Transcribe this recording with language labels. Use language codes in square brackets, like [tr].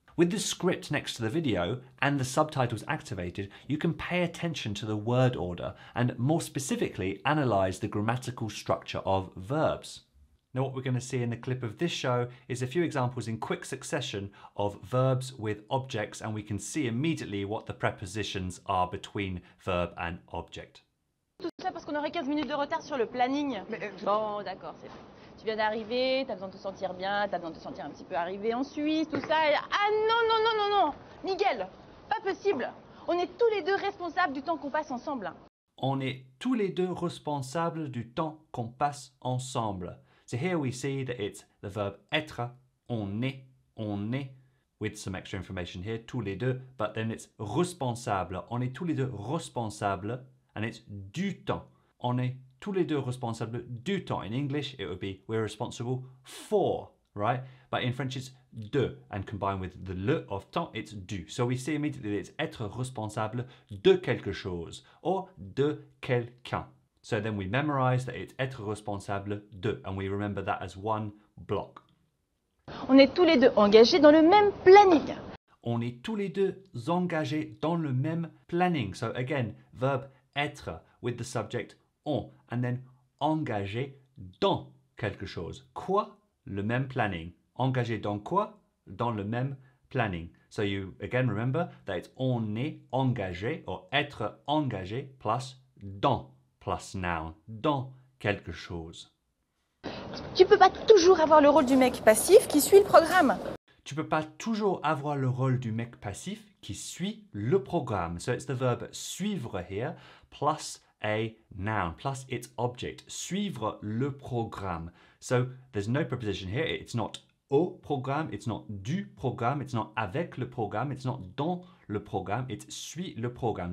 [en] With the script next to the video and the subtitles activated, you can pay attention to the word order and more specifically analyze the grammatical structure of verbs. Now what we're going to see in the clip of this show is a few examples in quick succession of verbs with objects, and we can see immediately what the prepositions are between verb and object. [fr] Tout ça parce qu'on aurait 15 minutes de retard sur le planning. Bon, d'accord, c'est bon. Tu viens d'arriver, t'as besoin de te sentir bien, t'as besoin de te sentir un petit peu arrivé en Suisse, tout ça. Et... Ah non, Miguel, pas possible. On est tous les deux responsables du temps qu'on passe ensemble. On est tous les deux responsables du temps qu'on passe ensemble. [en] So here we see that it's the verb être, on est, with some extra information here, [fr] tous les deux, [en] but then it's responsable. [fr] On est tous les deux responsables, [en] and it's [fr] du temps. On est tous les deux responsables du temps. [en] In English, it would be we're responsible for, right? But in French, it's de, and combined with the le of temps, it's du. So we see immediately that it's [fr] être responsable de quelque chose, [en] or [fr] de quelqu'un. [en] So then we memorize that it's [fr] être responsable de, [en] and we remember that as one block. [fr] On est tous les deux engagés dans le même planning. On est tous les deux engagés dans le même planning. [en] So again, verb être with the subject on, and then [fr] engagé dans quelque chose. Quoi? Le même planning. Engagé dans quoi? Dans le même planning. [en] So you again remember that it's [fr] on est engagé, or être engagé plus dans. Plus noun, dans quelque chose. Tu peux pas toujours avoir le rôle du mec passif qui suit le programme. Tu peux pas toujours avoir le rôle du mec passif qui suit le programme. [en] So it's the verb suivre here, plus a noun, plus its object. [fr] Suivre le programme. [en] So there's no preposition here. It's not [fr] au programme, [en] it's not [fr] du programme, [en] it's not [fr] avec le programme, [en] it's not [fr] dans le programme, [en] it's [fr] suit le programme.